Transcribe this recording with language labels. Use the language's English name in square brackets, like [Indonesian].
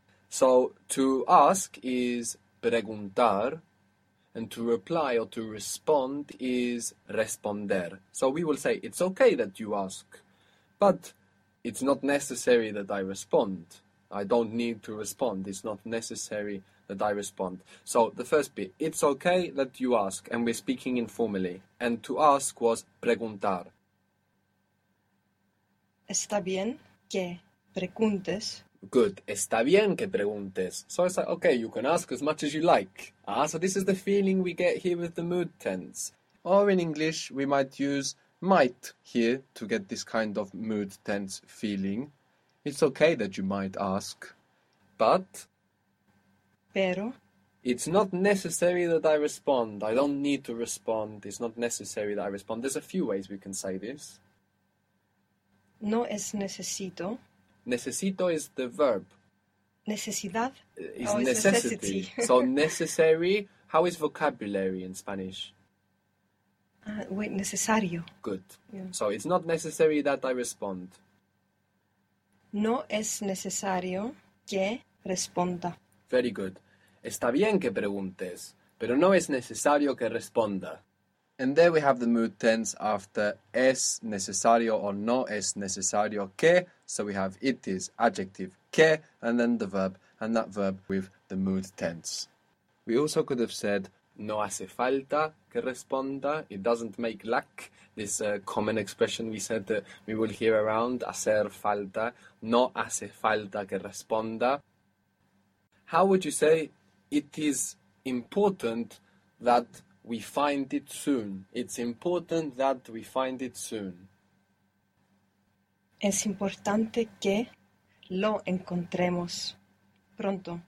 [English] So, to ask is preguntar, and to reply or to respond is responder. So, we will say, it's okay that you ask, but It's not necessary that I respond. I don't need to respond. It's not necessary that I respond. So the first bit, it's okay that you ask, and we're speaking informally. And to ask was preguntar. [Spanish] Está bien que preguntes. [English] Good. [Spanish] Está bien que preguntes. [English] So it's like, okay, you can ask as much as you like. So this is the feeling we get here with the mood tense. Or in English, we might use might here to get this kind of mood tense feeling. It's okay that you might ask, but [Spanish] Pero. [English] it's not necessary that I respond. I don't need to respond. It's not necessary that I respond. There's a few ways we can say this. [Spanish] No es necesito. [English] Necesito is the verb. [Spanish] Necesidad [English] Is [Spanish] o es [English] necessity. So necesity. necessary, how is vocabulary in Spanish? Wait, [Spanish] necesario. [English] Good. Yeah. So it's not necessary that I respond. [Spanish] No es necesario que responda. [English] Very good. [Spanish] Está bien que preguntes, pero no es necesario que responda. [English] And there we have the mood tense after es necesario or [Spanish] no es necesario que. [English] So we have it is adjective que, and then the verb, and that verb with the mood tense. We also could have said [Spanish] no hace falta que responda. [English] It doesn't make lack. This common expression we said that we will hear around, hacer falta. [Spanish] No hace falta que responda. [English] How would you say it is important that we find it soon? It's important that we find it soon. [Spanish] Es importante que lo encontremos pronto.